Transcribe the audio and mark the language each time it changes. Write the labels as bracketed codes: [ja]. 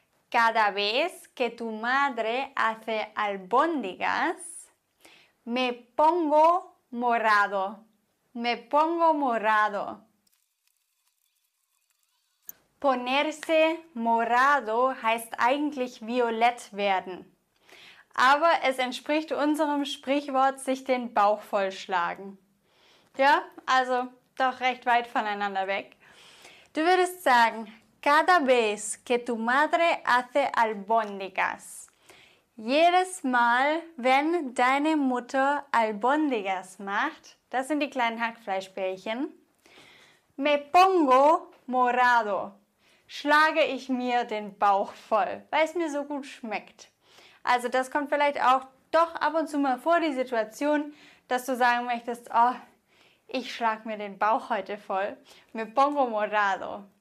[es] Cada vez que tu madre hace Albondigas, me pongo morado. Ponerse morado [de] heißt eigentlich violett werden. Aber es entspricht unserem Sprichwort, sich den Bauch vollschlagen. Ja, also doch recht weit voneinander weg. Du würdest sagen, [es] cada vez que tu madre hace albóndigas. [de] Jedes Mal, wenn deine Mutter albóndigas macht, das sind die kleinen Hackfleischbällchen, [es] me pongo morado. [de] Schlage ich mir den Bauch voll, weil es mir so gut schmeckt. Also das kommt vielleicht auch doch ab und zu mal vor, die Situation, dass du sagen möchtest, oh, ich schlage mir den Bauch heute voll, [es] me pongo morado.